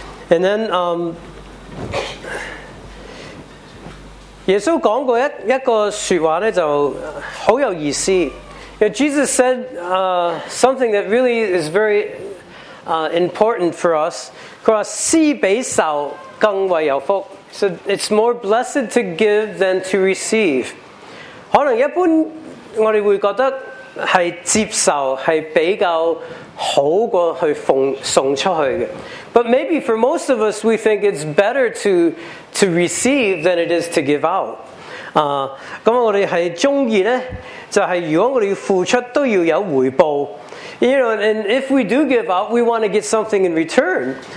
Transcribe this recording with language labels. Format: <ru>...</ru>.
<en>And then</en> <yue>耶稣讲过一个说话咧，就好有意思。</yue> <en>Jesus said something that really is very important for us.</en> <yue>佢话施比受更为有福。</yue> <en>So it's more blessed to give than to receive.</en> <yue>可能一般我哋会觉得系接受系比较好过去送出去嘅。</yue> <en>But maybe for most of us, we think it's better to receive than it is to give out.</en> <yue>咁我哋系中意咧，就系如果我哋付出都要有回报。</yue> <en>You know, and if we do give out, we want to get something in return.</en>